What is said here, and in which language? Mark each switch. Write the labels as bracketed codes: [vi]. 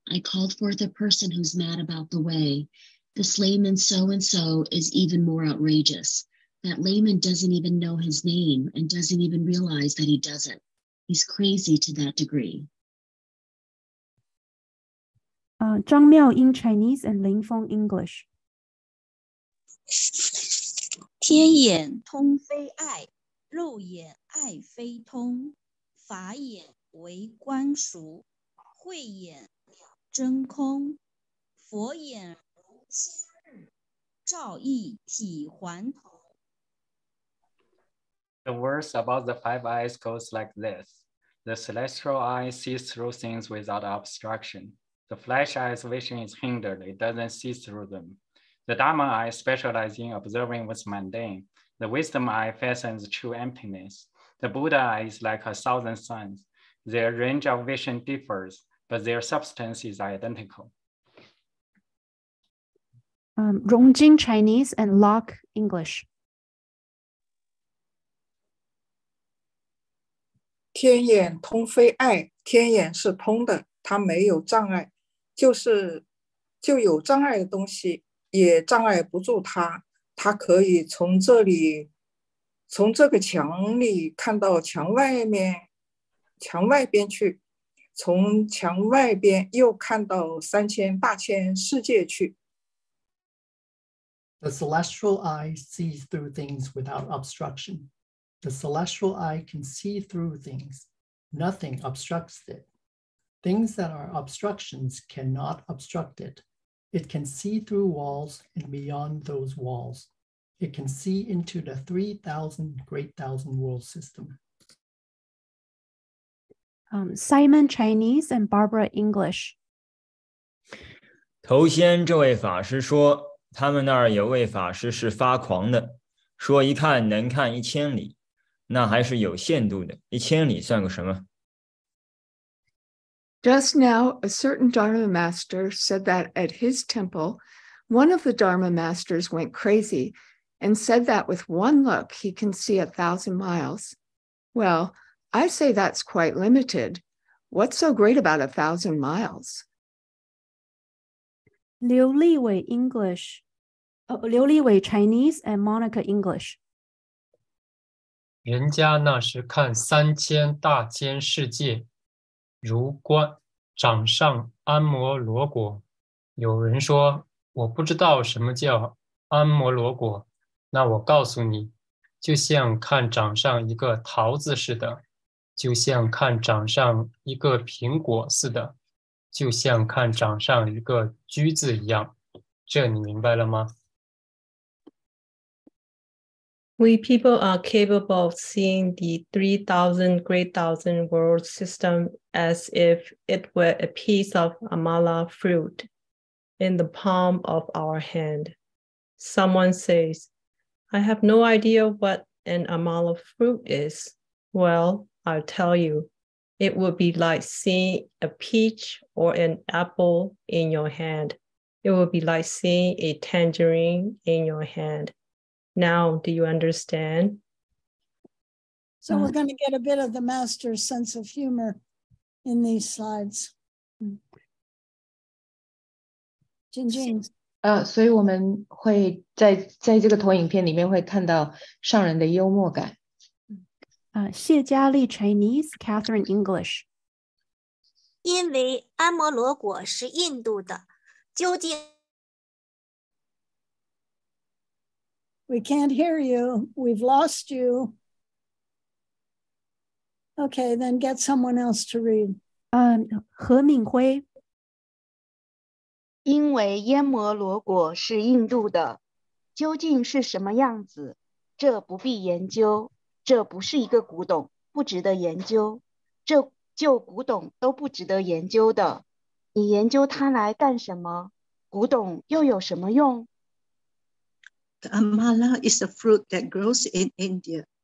[en] I called for the person who's mad about the way. This layman so-and-so is even more outrageous. That layman doesn't even know his name and doesn't even realize that he doesn't. He's crazy to that degree. Zhang Miao in Chinese and Ling Feng English. [zh] 天眼通非爱，肉眼爱非通，法眼为观熟，慧眼真空，佛眼如新日，照义体还同。 [en] The words about the five eyes goes like this. The celestial eye sees through things without obstruction. The flesh eye's vision is hindered. It doesn't see through them. The Dharma eye specializes in observing what's mundane. The wisdom eye fastens true emptiness. The Buddha eye is like a thousand suns. Their range of vision differs, but their substance is identical. Rongjing Chinese and Locke English. [zh] 天眼通非爱，天眼是通的，它没有障碍，就有障碍的东西也障碍不住它，它可以从这个墙里看到墙外边去，从墙外边又看到三千大千世界去。 [en] The celestial eye sees through things without obstruction. The celestial eye can see through things. Nothing obstructs it. Things that are obstructions cannot obstruct it. It can see through walls and beyond those walls. It can see into the 3,000 great thousand world system. Simon Chinese and Barbara English. [zh] 头先这位法师说，他们那儿有位法师是发狂的，说一看能看一千里。那还是有限度的，一千里算个什么？ [en] Just now, a certain Dharma master said that at his temple, one of the Dharma masters went crazy and said that with one look he can see 1,000 miles. Well, I say that's quite limited. What's so great about 1,000 miles? 刘立伟 English, 刘立伟 Chinese and Monica English. [zh] 人家那是看三千大千世界，如观掌上安摩罗果。有人说，我不知道什么叫安摩罗果，那我告诉你，就像看掌上一个桃子似的，就像看掌上一个苹果似的，就像看掌上一个橘子一样。这你明白了吗？ [en] We people are capable of seeing the 3,000 great thousand world system as if it were a piece of amala fruit in the palm of our hand. Someone says, I have no idea what an amala fruit is. Well, I'll tell you, it would be like seeing a peach or an apple in your hand. It would be like seeing a tangerine in your hand. Now, do you understand? So we're going to get a bit of the master's sense of humor in these slides. Jinjin. [zh] 所以我们会在这个投影片里面会看到上人的幽默感。 [en] 谢佳丽 Chinese, Catherine English. [zh] 因为安摩罗果是印度的，究竟 [en] We can't hear you. We've lost you. Okay, then get someone else to read. [zh] 何敏辉因为烟摩罗果是印度的，究竟是什么样子？这不必研究，这不是一个古董，不值得研究。这旧古董都不值得研究的，你研究它来干什么？古董又有什么用？ [en] The amala is a fruit that grows in India.